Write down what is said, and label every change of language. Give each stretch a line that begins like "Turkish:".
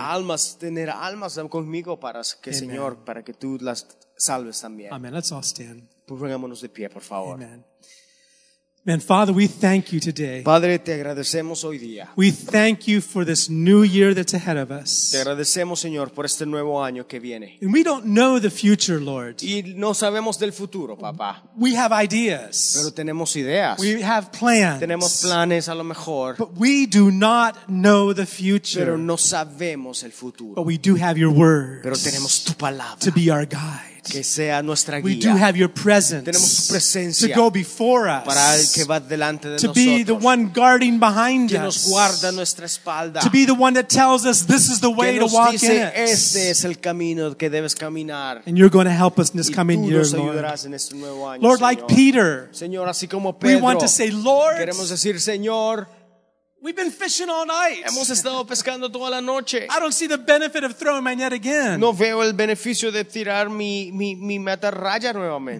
Spanish: Almas tener almas conmigo para que Amen. Señor para que tú las salves también.
English: Amen. Let's all stand.
Spanish: Pongámonos de pie, por favor.
English: Amen. Man, Father, we thank you today.
Spanish: Padre, te agradecemos hoy día.
English: We thank you for this new year that's ahead of us.
Spanish: Te agradecemos, Señor, por este nuevo año que viene.
English: And we don't know the future, Lord.
Spanish: Y no sabemos del futuro, papá.
English: We have ideas.
Spanish: Pero tenemos ideas.
English: We have plans.
Spanish: Tenemos planes, a lo mejor.
English: But we do not know the future.
Spanish: Pero no sabemos el futuro.
English: But we do have your word.
Spanish: Pero tenemos tu palabra.
English: To be our guide.
Spanish: Que sea nuestra guía.
English: We do have your presence.
Spanish: Tenemos tu presencia.
English: To go before us.
Spanish: Para el que va delante de
English: to
Spanish: nosotros.
English: Be the one guarding behind
Spanish: que nos guarda nuestra espalda.
English: Us. To be the one that tells us this is the way to walk
Spanish: dice,
English: in it.
Spanish: Este es el camino que debes caminar.
English: And you're going to help us in this
Spanish: y
English: coming
Spanish: tú
English: year,
Spanish: nos ayudarás
English: Lord.
Spanish: En este nuevo año,
English: Lord,
Spanish: Señor.
English: Like Peter.
Spanish: Señor, así como Pedro,
English: we want to say, Lord.
Spanish: Queremos decir, Señor.
English: We've been fishing all night.
Spanish: Hemos estado pescando toda la noche.
English: I don't see the benefit of throwing my net again.
Spanish: No veo el beneficio de tirar mi meta raya nuevamente.